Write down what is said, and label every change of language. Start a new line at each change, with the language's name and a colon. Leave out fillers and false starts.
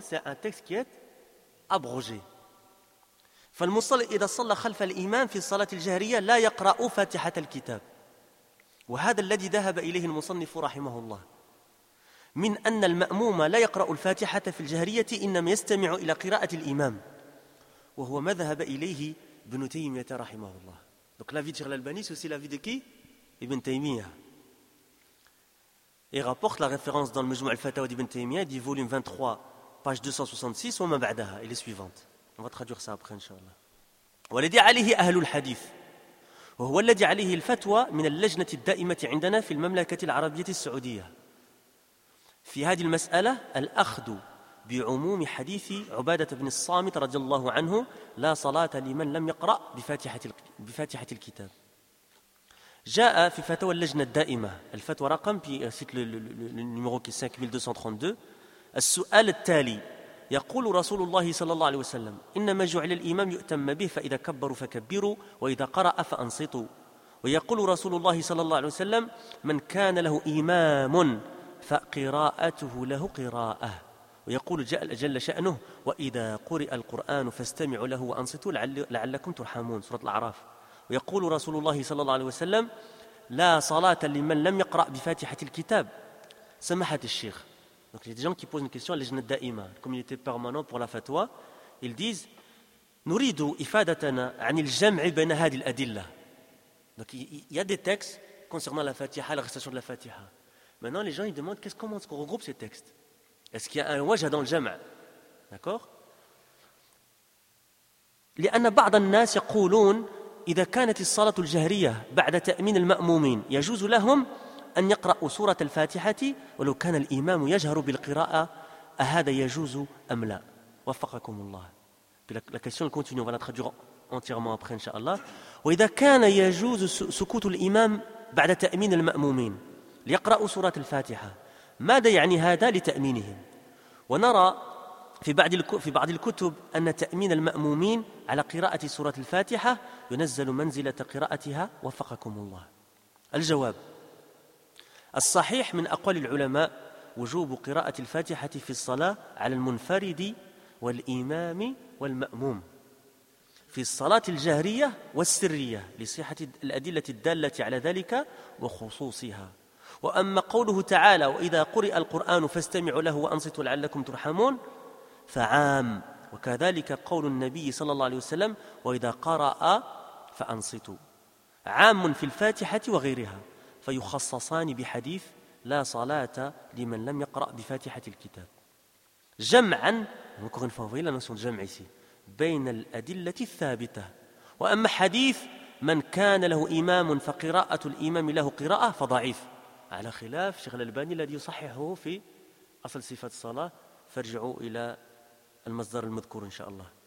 French: C'est un texte qui est abrogé.
Arabic: فالمصلي إذا صلى خلف الإمام في الصلاة الجهرية لا يقرأ فاتحة الكتاب وهذا الذي ذهب إليه المصنف رحمه الله من أن المأموم لا يقرأ الفاتحة في الجهرية إنما يستمع إلى قراءة الإمام وهو ما ذهب إليه ابن تيمية رحمه الله.
French: Donc la vie de Cheikh l'Albani, c'est aussi la vie de qui? Ibn Taymiyyah. Il rapporte la référence dans le Majmou' al-Fatawa d'Ibn Taymiyyah, dit volume 23, page 266,
Arabic: وما بعدها,
French: et les suivantes. On va traduire ça après, Inch'Allah.
Arabic: والذي عليه أهل الحديث وهو الذي عليه الفتوى من اللجنة الدائمة عندنا في المملكة العربية السعودية في هذه المسألة الأخذ بعموم حديث عبادة بن الصامت رضي الله عنه لا صلاة لمن لم يقرأ بفاتحة الكتاب جاء في فتوى اللجنة الدائمة الفتوى رقم في سيكل النمرو 5232 السؤال التالي يقول رسول الله صلى الله عليه وسلم إنما جعل الإمام يؤتم به فإذا كبروا فكبروا وإذا قرأ فأنصتوا ويقول رسول الله صلى الله عليه وسلم من كان له إمام فقراءته له قراءة ويقول جل شأنه وإذا قرئ القرآن فاستمعوا له وأنصتوا لعلكم ترحمون سورة الأعراف ويقول رسول الله صلى الله عليه وسلم لا صلاة لمن لم يقرأ بفاتحة الكتاب سماحة الشيخ.
French: Donc il y a des gens qui posent une question à l'Ijnat d'Aïma, la communauté permanente pour la fatwa. Ils disent
Arabic: Nouridu ifadatana anil jam'i bayna hadhihi al-adillah.
French: Donc il y a des textes concernant la Fatiha, la récitation de la Fatiha. Maintenant les gens ils demandent comment est-ce qu'on regroupe ces textes? Est-ce qu'il y a un wajh dans le jam'a? D'accord?
Arabic: لأن بعض الناس يقولون إذا كانت الصلاة الجهرية بعد تأمين المأمومين يجوز لهم أن يقرأ سورة الفاتحة ولو كان الإمام يجهر بالقراءة أهذا يجوز أم لا وفقكم الله.
French: La question continue, on va la traduire entièrement après inshallah.
Arabic: وإذا كان يجوز سكوت الإمام بعد تأمين المأمومين ليقرأ سورة الفاتحة ماذا يعني هذا لتأمينهم؟ ونرى في بعض الكتب أن تأمين المأمومين على قراءة سورة الفاتحة ينزل منزلة قراءتها وفقكم الله. الجواب: الصحيح من أقوال العلماء وجوب قراءة الفاتحة في الصلاة على المنفرد والإمام والمأموم في الصلاة الجهرية والسرية لصحة الأدلة الدالة على ذلك وخصوصها. وأما قوله تعالى وإذا قرئ القرآن فاستمعوا له وأنصتوا لعلكم ترحمون فعام، وكذلك قول النبي صلى الله عليه وسلم وإذا قرأ فأنصتوا عام في الفاتحة وغيرها. فيخصصان بحديث لا صلاة لمن لم يقرأ بفاتحة الكتاب جمعا
French: encore une fois vous voyez la notion de jam' ici
Arabic: بين الأدلة الثابتة وأما حديث من كان له إمام فقراءة الإمام له قراءة فضعيف على خلاف شيخ الألباني الذي يصححه في أصل صفة الصلاة فارجعوا إلى المصدر المذكور إن شاء الله